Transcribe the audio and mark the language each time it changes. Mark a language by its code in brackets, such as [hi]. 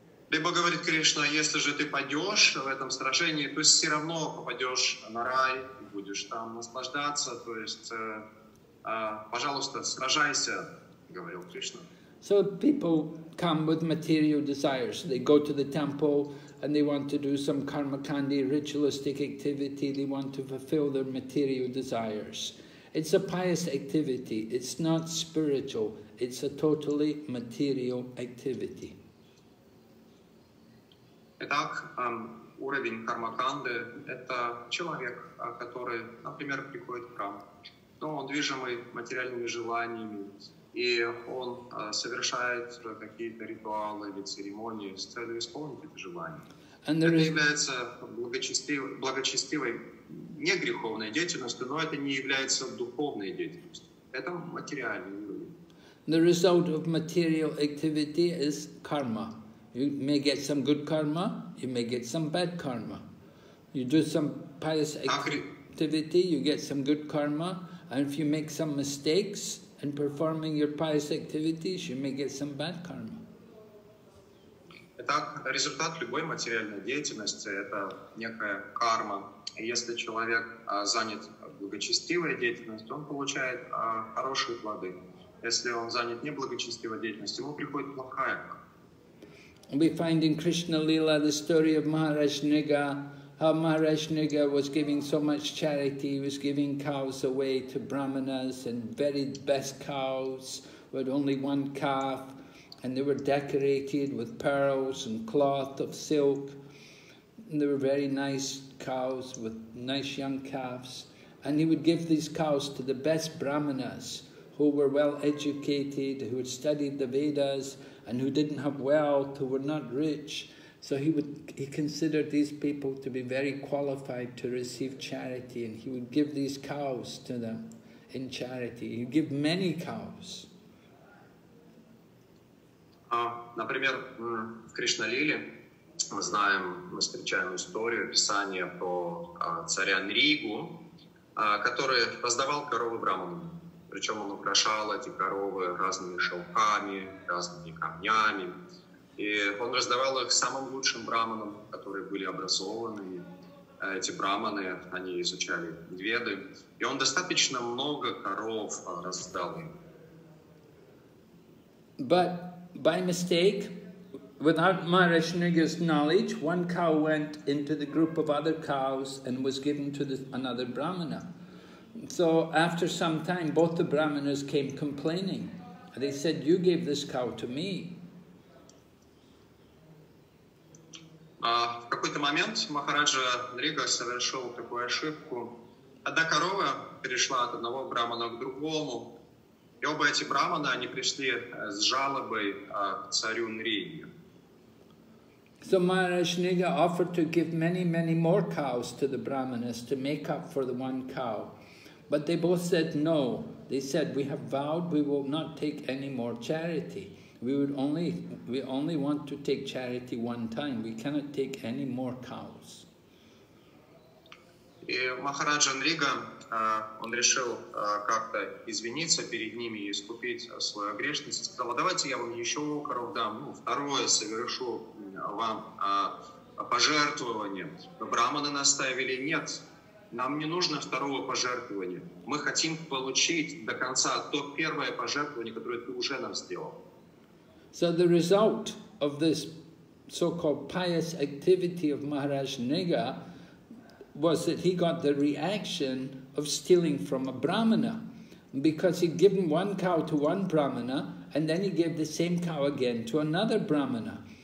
[ru] Либо говорит Кришна, если же ты пойдешь в этом сражении, то все равно попадешь на рай и будешь там наслаждаться. То есть, пожалуйста, сражайся, говорил Кришна. [en] So people come with material desires. They go to the temple and they want to do some karmakandi ritualistic activity. They want to fulfill their material desires. It's a pious activity. It's not spiritual. It's a totally material activity. [ru] Итак, уровень кармаканды – это человек, который, например, приходит в храм, но он движимый материальными желаниями, и он совершает какие-то ритуалы или церемонии с целью исполнить эти желания. Это является благочестивой, не греховной деятельностью, но это не является духовной деятельностью. Это материальный уровень. [en] The result of material activity is karma. You may get some good karma, you may get some bad karma. You do some pious activity, you get some good karma, and if you make some mistakes in performing your pious activities, you may get some bad karma. [ru] Итак, результат любой материальной деятельности – это некая карма. И если человек занят благочестивой деятельностью, он получает хорошие плоды. Если он занят неблагочестивой деятельностью, ему приходит плохая. [en] We find in Krishna Lila the story of Maharaj Nriga, how Maharaj Nriga was giving so much charity, he was giving cows away to brahmanas, and very best cows with only one calf, and they were decorated with pearls and cloth of silk. And they were very nice cows with nice young calves, and he would give these cows to the best brahmanas, who were well educated, who had studied the Vedas, and who didn't have wealth, who were not rich, So he considered these people to be very qualified to receive charity, and he would give these cows to them in charity. He'd give many cows. [ru] Например, в Кришналиле мы знаем, мы встречаем историю, писание про царя Нригу, который раздавал коровы браманам. Причем он украшал эти коровы разными шелками, разными камнями. И он раздавал их самым лучшим браманам, которые были образованы. Эти браманы, они изучали веды. И он достаточно много коров раздал им. [en] But by mistake, without Maharaj Nriga's knowledge, one cow went into the group of other cows and was given to another brahmana. So after some time, both the brahmanas came complaining. They said, "You gave this cow to me." [ru] В какой-то момент Махараджа Нрига совершил такую ошибку. Одна корова перешла от одного брахмана к другому. И оба эти брахманы, они пришли с жалобой к царю Нриге. [en] So Maharaj Nriga offered to give many, many more cows to the brahmanas to make up for the one cow. But they both said no. They said, "We have vowed we will not take any more charity. We only want to take charity one time. We cannot take any more cows." [ru] И Махараджа Нрига, он решил как-то извиниться перед ними и искупить свою грешность. Сказал, давайте я вам еще коров дам, ну, второе совершу вам пожертвование. Но брахманы настаивали, нет, нам не нужно второго пожертвования. Мы хотим получить до конца то первое пожертвование, которое ты уже нам сделал. [en] So the result of this so-called pious activity of Maharaj Nriga was that he got the reaction of stealing from a brahmana, because he'd given one cow to one brahmana and then he gave the same cow again to another brahmana.